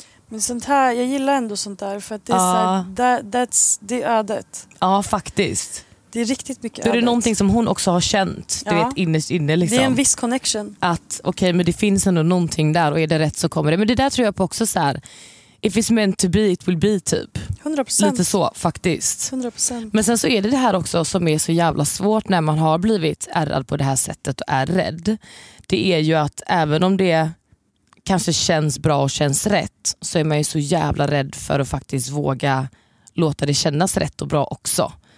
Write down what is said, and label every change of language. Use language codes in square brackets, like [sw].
[sv] Men sånt här, jag gillar ändå sånt där för att det är såhär, det är ödet. Ja, faktiskt. Det är riktigt mycket ödet. Det är någonting som hon också har känt, du vet, innerst inne liksom. Det är en viss connection. Att okej, men det finns ändå någonting där och är det rätt så kommer det. Men det där tror jag på också så här. [en] If it's meant to be, it will be, typ. [sv] 100%. Lite så, faktiskt. 100%. Men sen så är det det här också som är så jävla svårt när man har blivit ärrad på det här sättet och är rädd. Det är ju att även om det kanske känns bra och känns rätt så är man ju så jävla rädd för att faktiskt våga låta det kännas rätt och bra också.